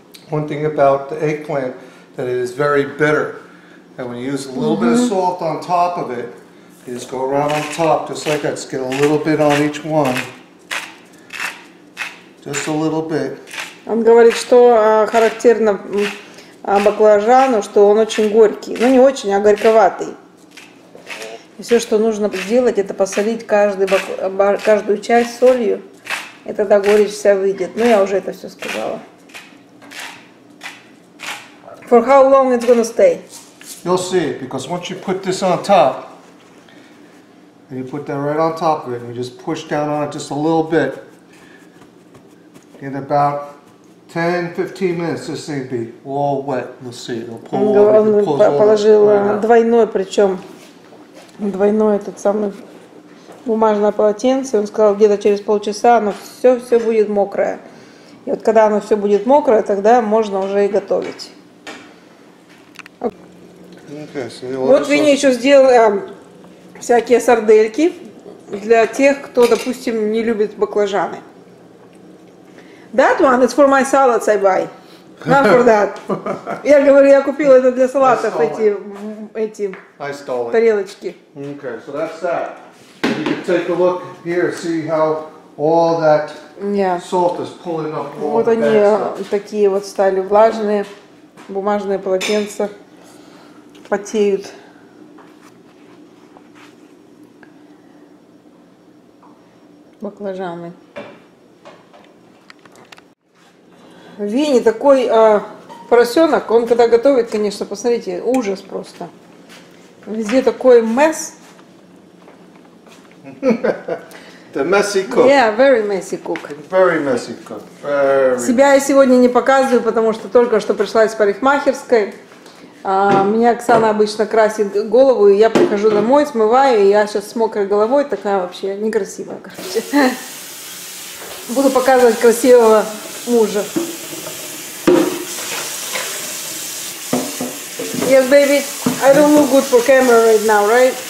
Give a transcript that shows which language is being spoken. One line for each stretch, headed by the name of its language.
English: One thing about the eggplant, that it is very bitter. And when you use a little bit of salt on top of it, you just go around on top, just like that. Just get a little bit on each one. Just a little bit.
Russian: Он говорит, что характерно баклажану, что он очень горький. Ну, не очень, а горьковатый. И все, что нужно сделать, это посолить каждую часть солью, и тогда горечь вся выйдет. Ну, я уже это все сказала.
English: For how long it's gonna stay? You'll see, because once you put this on top, and you put that right on top of it, and you just push down on it just a little bit, in about 10-15 minutes, this thing be all wet. You'll see, it'll pull all the way.
Russian: Он положил двойное, причем двойное, этот самый бумажное полотенце. Он сказал, где-то через полчаса оно все будет мокрое. И вот когда оно все будет мокрое, тогда можно уже и готовить.
English: Okay,
Russian: вот Винни еще сделал всякие сардельки для тех, кто, допустим, не любит баклажаны.
English: That one is for my salads I buy. Not for that.
Russian: Я говорю, я купила это для салатов, эти тарелочки.
English: Okay, so that's that. You can take a look here, see how all that salt is pulling up.
Russian: Вот они такие вот стали влажные, бумажные полотенца. Потеют. Баклажаны. Винни такой поросенок, он когда готовит, конечно, посмотрите, ужас просто. Везде такой mess.
English: The messy cook. Yeah, very messy cook. Very messy cook. Very...
Russian: Себя я сегодня не показываю, потому что только что пришла из парикмахерской. Меня Оксана обычно красит голову, и я прихожу домой, смываю, и я сейчас с мокрой головой, такая вообще некрасивая, короче. Буду показывать красивого мужа. И
English: Yes, baby. I don't look good for camera right now, right?